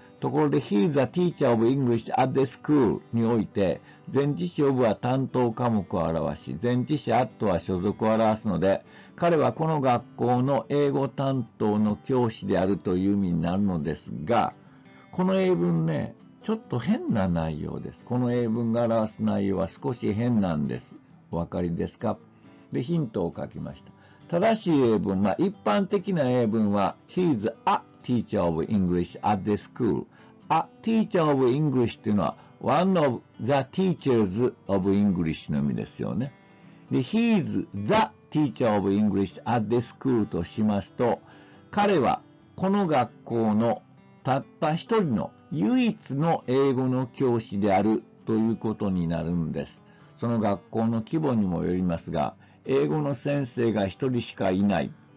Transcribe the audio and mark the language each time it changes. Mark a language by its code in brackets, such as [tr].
[ja] ところで、 [en] He is a teacher of English at the school [ja] において、前置詞 of は担当科目を表し、前置詞 at は所属を表すので、彼はこの学校の英語担当の教師であるという意味になるのですが、この英文ね、ちょっと変な内容です。この英文が表す内容は少し変なんです。お分かりですか？で、ヒントを書きました。正しい英文、まあ、一般的な英文は、 [en] He is a teacher of English at the school. A teacher of English [ja] というのは、 [en] one of the teachers of English [ja] の意味ですよね。で、 [en] He is the teacher of English at the school [ja] としますと、彼はこの学校のたった一人の唯一の英語の教師であるということになるんです。その学校の規模にもよりますが、英語の先生が一人しかいない。